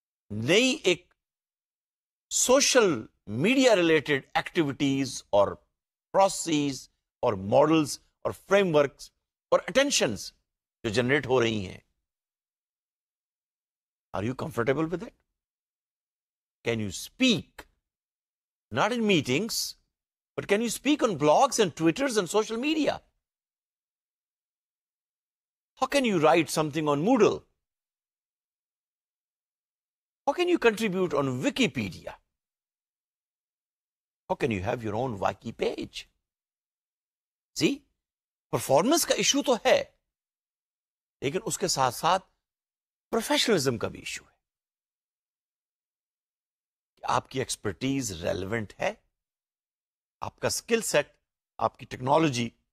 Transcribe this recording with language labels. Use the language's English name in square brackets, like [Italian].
[Urdu] نئی ایک social media related activities اور پروسیس اور ماڈلز اور فریم ورکس اور اٹینشنز جو جنریٹ ہو رہی ہیں [English] Are you comfortable with it? Can you speak, not in meetings, but can you speak on blogs and Twitters and social media? How can you write something on Moodle? How can you contribute on Wikipedia? How can you have your own Wiki page? See, [Urdu] performance ka issue to hai, lekin uske saath saath professionalism کا بھی issue ہے کہ آپ کی expertise relevant ہے آپ کا skill set آپ کی ٹیکنالوجی